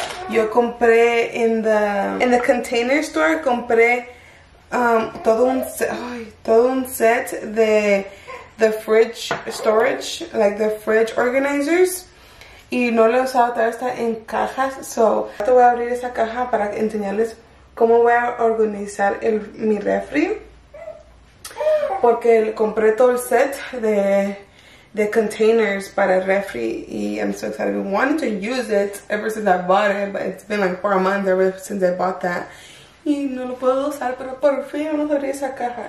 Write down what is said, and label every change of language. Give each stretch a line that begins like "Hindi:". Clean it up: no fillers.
Spanish: Yo compré en the container store, compré todo un set de the fridge storage, like the fridge organizers. Y no lo he usado, todavía está en cajas. So, te voy a abrir esa caja para enseñarles cómo voy a organizar mi refri.
English: Porque compré todo el set de containers para el refri y I'm so excited. I've been wanting to use it ever since I bought it, but it's been like 4 months ever since I bought that.
Spanish: Y no lo puedo usar, pero por fin vamos a abrir esa caja.